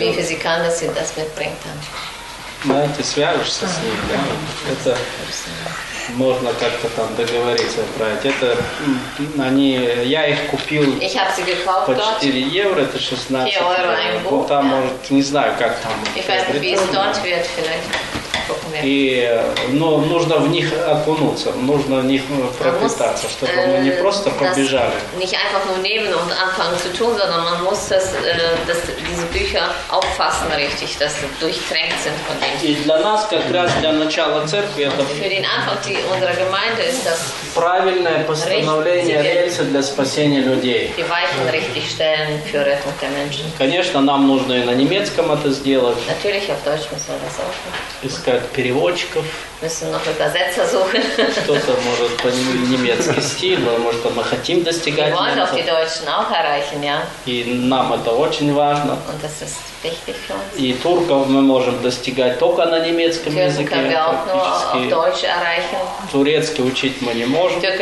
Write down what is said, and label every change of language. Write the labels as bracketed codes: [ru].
[de] Wie viel sie kann, dass sie das mitbringt dann. [ru] Знаете, свяжешься с ней, да? Это можно как-то там договориться отправить. Это они, я их купил [de] ich habe sie gekauft [ru] по 4 евро, это 16 евро. Вот там, может, не знаю, как там. [de] Ich weiß nicht, wie es dort wird, vielleicht. [ru] И, но нужно в них окунуться, нужно в них пропитаться, чтобы мы не просто побежали. [de] Nicht einfach nur nehmen und anfangen zu tun, sondern man muss das, dass diese Bücher auffassen richtig, dass sie durchtränkt sind von denen. [ru] И для нас как раз для начала церкви это. [de] Für den Anfang unserer Gemeinde ist das. [ru] Правильное постановление рельсы для спасения людей. [de] Die Weichen richtig stellen für Rettung der Menschen. [ru] Конечно, нам нужно и на немецком это сделать. [de] Natürlich auf Deutsch müssen wir das auch machen. [ru] Переводчиков. [de] Müssen noch Übersetzer suchen. [ru] Кто-то может по немецкий стиль, но может мы хотим достигать. [de] Wir wollen auch die Deutschen auch erreichen, ja. [ru] И нам это очень важно. [de] Und das ist [ru] И турков мы можем достигать только на немецком языке, практически. Турецкий учить мы не можем.